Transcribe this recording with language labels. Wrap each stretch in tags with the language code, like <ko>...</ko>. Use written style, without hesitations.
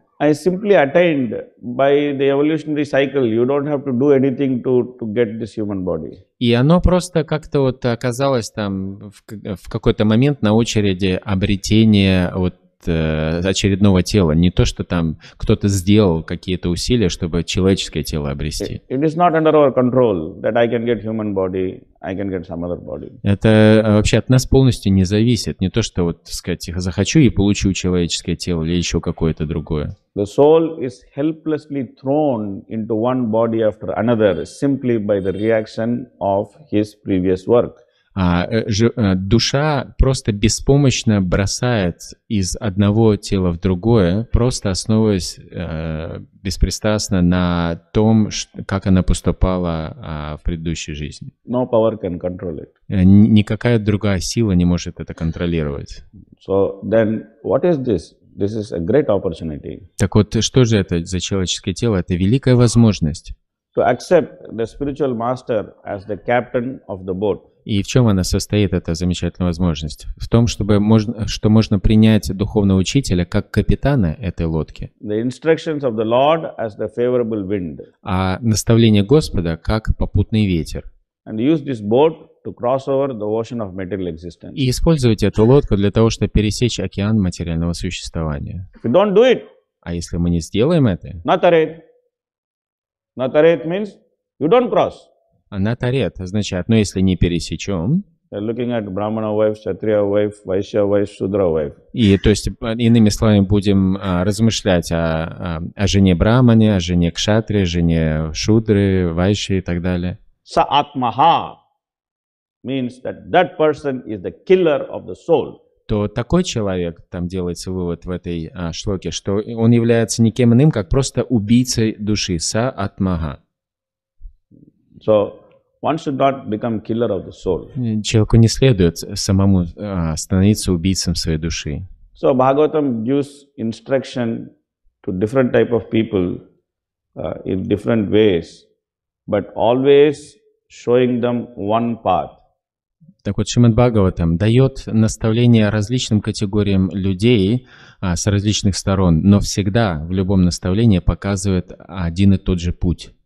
<en>I simply attained by the evolutionary cycle. You don't have to do anything to get this human body.</en> <ru>И оно просто как-то вот оказалось там в какой-то момент на очереди обретения вот очередного тела. Не то, что там кто-то сделал какие-то усилия, чтобы человеческое тело обрести.</ru> <en>It is not under our control that I can get human body. I can get some other body.</en> <ru>Это вообще от нас полностью не зависит. Не то, что вот, сказать, захочу и получу человеческое тело или еще какое-то другое.</ru> <en>The soul is helplessly thrown into one body after another simply by the reaction of his previous work.</en> <ru>Душа просто беспомощно бросает из одного тела в другое, просто основываясь беспристрастно на том, как она поступала в предыдущей жизни.</ru> <en>No power can control it.</en> <ru>Никакая другая сила не может это контролировать.</ru> <en>So then, what is this? This is a great opportunity.</en> <ru>Так вот, что же это за человеческое тело? Это великая возможность.</ru> <en>To accept the spiritual master as the captain of the boat.</en> <ru>И в чем она состоит, эта замечательная возможность? В том, чтобы что можно принять духовного учителя как капитана этой лодки.</ru> <en>The instructions of the Lord as the favorable wind.</en> <ru>А наставление Господа как попутный ветер.</ru> <en>And use this boat to cross over the ocean of material existence.</en> <ru>И использовать эту лодку для того, чтобы пересечь океан материального существования.</ru> <en>If you don't do it,</en> <ru>а если мы не сделаем это?</ru> <en>Натарет. Натарет means you don't cross.</en> <ru>Натарет означает, ну если не пересечем.</ru> <en>They're looking at Brahmana wife, Kshatriya wife, Vaishya wife, Shudra wife.</en> <ru>И то есть, иными словами, будем размышлять о жене Брахмане, о жене Кшатри, жене Шудры, Вайши и так далее.</ru> <en>Саатмаха means that that person is the killer of the soul.</en> <ru>То такой человек, там делается вывод в этой шлоке, что он является никем иным, как просто убийцей души.</ru> <sa>Саатмаха.</sa> <en>So, one should not become killer of the soul.</en> <ru>Человеку не следует самому становиться убийцем своей души.</ru> <en>So, Bhagavatam gives instruction to different type of people in different ways, but always showing them one path.</en> <ru>Так вот, Шримад Бхагаватам дает наставление различным категориям людей с различных сторон, но всегда в любом наставлении показывает один и тот же путь.</ru>